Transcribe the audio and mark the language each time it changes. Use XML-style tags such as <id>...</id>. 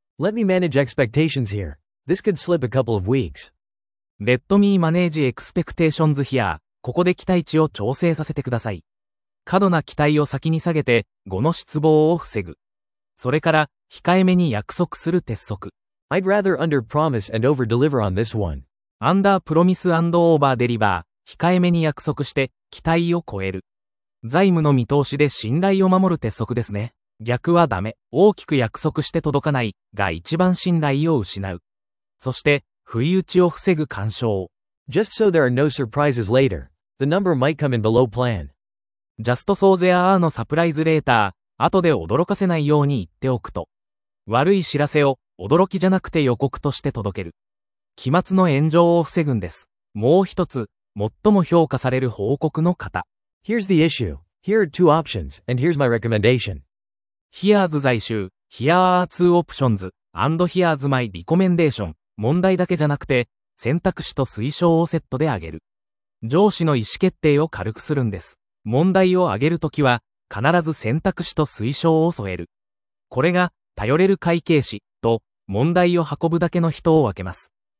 <en>Let me manage expectations here. This could slip a couple of weeks. Let me manage expectations here.</en> <ja>ここで期待値を調整させてください。過度な期待を先に下げて、後の失望を防ぐ。それから、控えめに約束する鉄則。</ja> <en>I'd rather under-promise and over-deliver on this one. Under-promise and over-deliver,</en> <ja>控えめに約束して、期待を超える。財務の見通しで信頼を守る鉄則ですね。逆はダメ。大きく約束して届かない、が一番信頼を失う。そして、不意打ちを防ぐ干渉。</ja> <en>Just so there are no surprises later, the number might come in below plan. Just so there are no surprises later,</en> <ja>後で驚かせないように言っておくと。悪い知らせを驚きじゃなくて予告として届ける。期末の炎上を防ぐんです。もう一つ、最も評価される報告の型。</ja> <en>Here's the issue. Here are two options, and here's my recommendation. Here's 在州、Here are two options, and here's my recommendation.</en> <ja>問題だけじゃなくて、選択肢と推奨をセットで挙げる。上司の意思決定を軽くするんです。問題を挙げるときは、必ず選択肢と推奨を添える。これが、頼れる会計士と、問題を運ぶだけの人を分けます。</ja>